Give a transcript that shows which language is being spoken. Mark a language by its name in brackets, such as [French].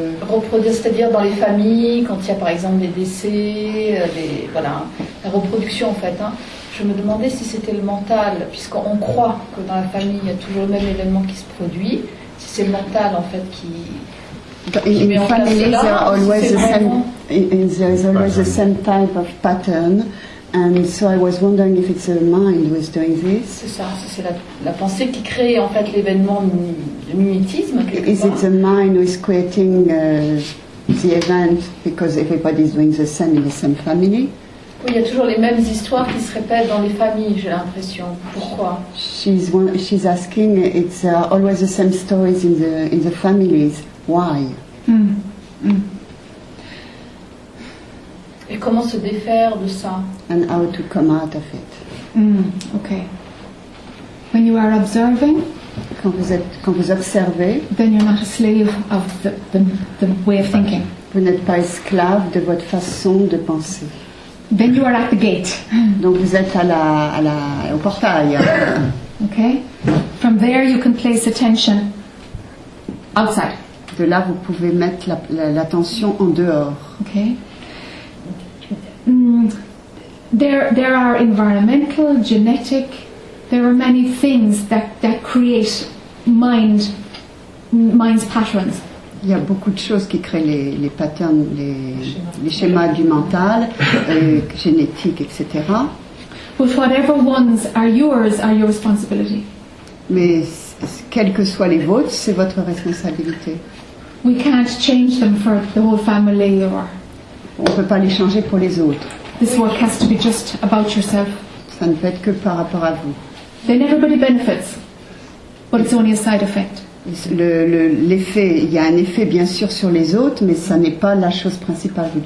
[French] reproduire, c'est-à-dire dans les familles, quand il y a par exemple des décès, la reproduction en fait. Hein. Je me demandais si c'était le mental, puisqu'on croit que dans la famille il y a toujours le même événement qui se produit, si c'est le mental en fait qui [English] In families, there are always the same. There is always the same type of pattern, and so I was wondering if it's the mind who is doing this. [French] C'est la pensée qui crée en fait l'événement de mimétisme. [English] Is it the mind who is creating the event because everybody is doing the same in the same family? [French] Oui, il y a toujours les mêmes histoires qui se répètent dans les familles. J'ai l'impression. Pourquoi? [English] She's asking. It's always the same stories in the families. Why? [French] Et comment se défaire de ça? [English] And how to come out of it? Okay. When you are observing, [French] quand vous observez, [English] then you're not a slave of the way of thinking. [French] Vous n'êtes pas esclave de votre façon de penser. [English] Then you are at the gate. [French] Donc vous êtes au portail. [English] Okay. From there, you can place attention outside. [French] De là, vous pouvez mettre l'attention en dehors. [English] Okay. There are environmental, genetic. There are many things that create mind's patterns. [French] Il y a beaucoup de choses qui créent les patterns, les schémas du mental, génétique, etc. [English] But whatever ones are your responsibility. [French] Mais quels que soient les vôtres, c'est votre responsabilité. [English] We can't change them for the whole family or. [French] On ne peut pas les changer pour les autres. [English] This work has to be just about yourself. [French] Ça ne peut être que par rapport à vous. [English] Then everybody benefits, but it's only a side effect. [French] L'effet, il y a un effet bien sûr sur les autres, mais ça n'est pas la chose principale.